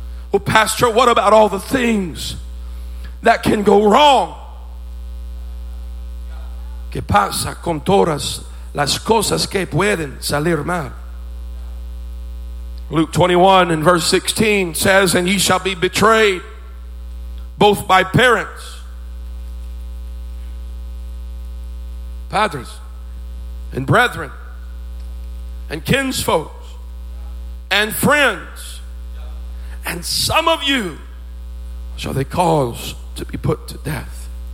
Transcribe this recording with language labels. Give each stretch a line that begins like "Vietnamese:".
English: Well, Pastor, what about all the things that can go wrong?
Spanish: ¿Qué pasa con todas las cosas que pueden salir mal?
English: Luke 21 and verse 16 says, "And ye shall be betrayed both by parents, padres, and brethren, and kinsfolks, and friends, and some of you shall they cause to be put to death."